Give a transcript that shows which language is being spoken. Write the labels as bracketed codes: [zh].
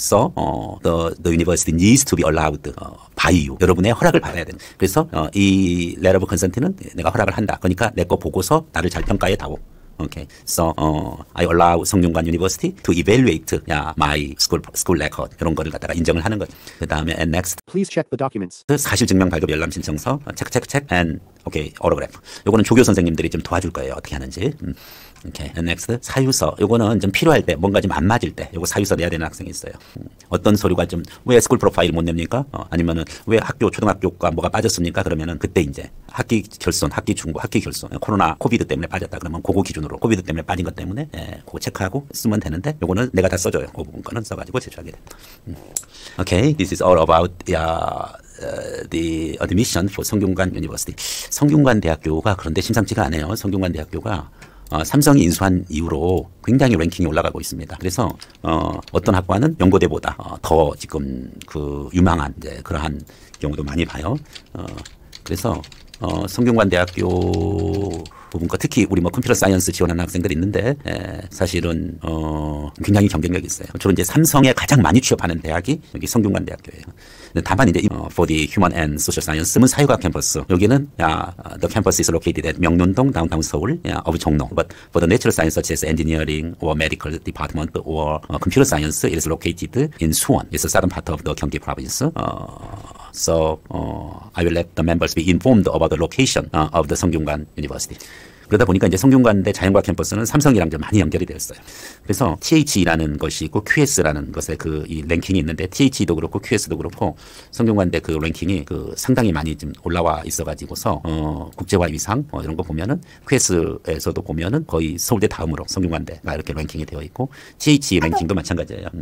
[en] So the university needs to be allowed by you. [ko] 여러분의 허락을 받아야 됩니다. 그래서 이 letter of consent는 내가 허락을 한다. 그러니까 내 거 보고서 나를 잘 평가해 다오. [en] Okay. So, I allow 성균관 university to evaluate my school record. [ko] 이런 거를 갖다가 인정을 하는 거죠. 그 다음에, [en] and next. Please check the documents. [ko] 사실 증명 발급 열람 신청서. [en] Check, check, check. And, okay, autograph. [ko] 요거는 조교 선생님들이 좀 도와줄 거예요. 어떻게 하는지. 오케이. 넥스트. 사유서. 요거는 좀 필요할 때 뭔가 좀 안 맞을 때 요거 사유서 내야 되는 학생이 있어요. 어떤 서류가 좀 왜 스쿨 프로파일 못 냅니까? 아니면은 왜 학교 초등학교가 뭐가 빠졌습니까? 그러면은 그때 이제 학기 결손, 학기 중고, 학기 결손. 코로나, 코비드 때문에 빠졌다. 그러면 그거 기준으로 코비드 때문에 빠진 것 때문에 예, 그거 체크하고 쓰면 되는데 요거는 내가 다 써 줘요. 그 부분 거는 써 가지고 제출하게 돼. 오케이. Okay. [en] This is all about the admission for 성균관 University. [ko] 성균관 대학교가 그런데 심상치가 않아요. 성균관 대학교가 삼성이 인수한 이후로 굉장히 랭킹이 올라가고 있습니다. 그래서 어떤 학과는 연고대보다 더 지금 그 유망한 이제 그러한 경우도 많이 봐요. 그래서 성균관 대학교 부분과 특히 우리 뭐 컴퓨터 사이언스 지원하는 학생들이 있는데 예, 사실은 굉장히 경쟁력이 있어요. 주로 이제 삼성에 가장 많이 취업하는 대학이 여기 성균관 대학교예요. 다만 이제 [en] for the human and social science는 [ko] 사유가 캠퍼스. 여기는 [en] the campus is located at 명륜동 downtown Seoul of 정릉. But for the natural science such as engineering or medical department or computer science it is located in Suwon. It's a southern part of the Gyeonggi province. So I will let the members be informed about the location of the 성균관 university. [ko] 그러다 보니까 이제 성균관대 자연과학 캠퍼스는 삼성이랑 좀 많이 연결이 되었어요. 그래서 TH라는 것이 있고 QS라는 것의 그 이 랭킹이 있는데 TH도 그렇고 QS도 그렇고 성균관대 그 랭킹이 그 상당히 많이 좀 올라와 있어가지고서 국제화 위상 이런 거 보면은 QS에서도 보면은 거의 서울대 다음으로 성균관대가 이렇게 랭킹이 되어 있고 TH 랭킹도 마찬가지예요.